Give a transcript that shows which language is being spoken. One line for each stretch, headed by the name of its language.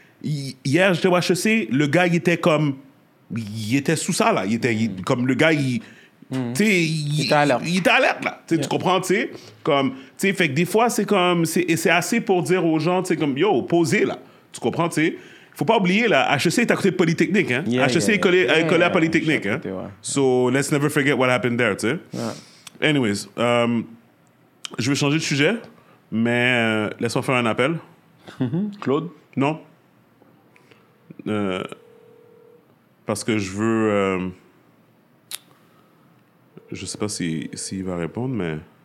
French: Hier, j'étais au HEC, le gars, il était sous ça, là. Il était comme le gars, il était alerte, là. Yeah. Tu comprends, tu sais? Comme, tu sais, fait que des fois, c'est comme, c'est assez pour dire aux gens, tu sais, comme, yo, posez, là. Tu comprends, tu sais? Faut pas oublier, là, HEC est à côté de Polytechnique, hein? Yeah, HEC est collé à Polytechnique, côté, hein?
English: So, let's never forget what happened there,
French: tu sais? Ouais. Anyways, je vais changer de sujet, mais laisse-moi faire un appel. Claude? Non. parce que je veux... je sais pas si il va répondre, mais...